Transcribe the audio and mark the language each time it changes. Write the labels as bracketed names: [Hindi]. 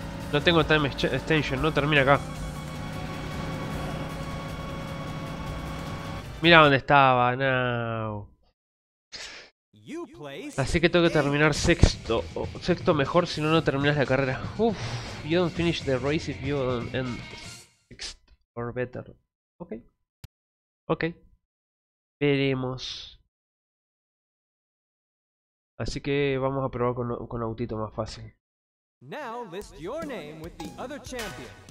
[Spanish] No tengo time extension, no termina acá. Mira dónde estaba, no. Así que tengo que terminar sexto. Sexto mejor, si no, no terminas la carrera. [English] Uff, you don't finish the race if you don't end sixth or better. [Spanish] Ok. Ok. Veremos. Así que vamos a probar con autito más fácil. [English] Now list your name with the other champion.